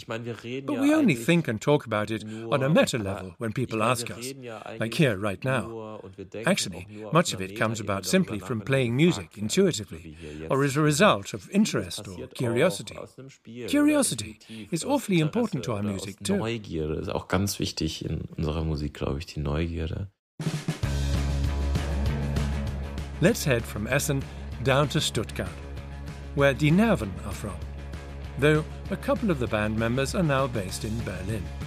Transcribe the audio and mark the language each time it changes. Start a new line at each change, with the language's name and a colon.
English: But we only think and talk about it on a meta level when people ask us, like here, right now. Actually, much of it comes about simply from playing music intuitively or as a result of interest or curiosity. Curiosity is awfully important to our music, too.
German: Neugierde ist auch ganz wichtig in unserer Musik, glaube ich, die Neugierde.
English: Let's head from Essen down to Stuttgart, where Die Nerven are from, though a couple of the band members are now based in Berlin.